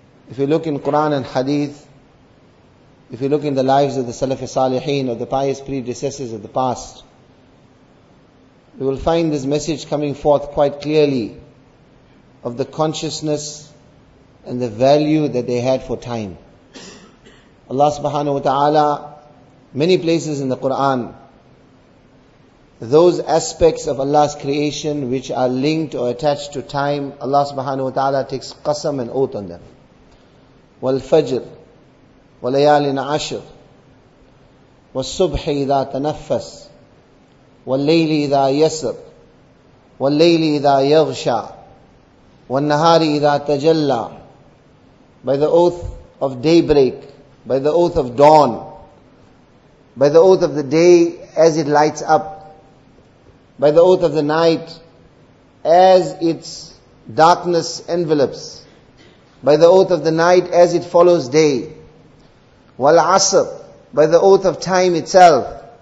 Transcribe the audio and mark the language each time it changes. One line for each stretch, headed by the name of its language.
English: If you look in Quran and Hadith, if you look in the lives of the Salafi Saliheen, of the pious predecessors of the past, you will find this message coming forth quite clearly of the consciousness and the value that they had for time. Allah subhanahu wa ta'ala, many places in the Quran, those aspects of Allah's creation which are linked or attached to time, Allah subhanahu wa ta'ala takes qasam and oath on them.
Arabic: Wal-fajr, وَلَيَالٍ عَشْرٍ وَالصُّبْحِ إِذَا تَنَفَّسْ وَاللَّيْلِ إِذَا يَسْرْ وَاللَّيْلِ إِذَا يَغْشَى وَالنَّهَارِ إِذَا تَجَلَّى.
English: By the oath of daybreak, by the oath of dawn, by the oath of the day as it lights up, by the oath of the night as its darkness envelops, by the oath of the night as it follows day, وَالْعَصَرْ, by the oath of time itself.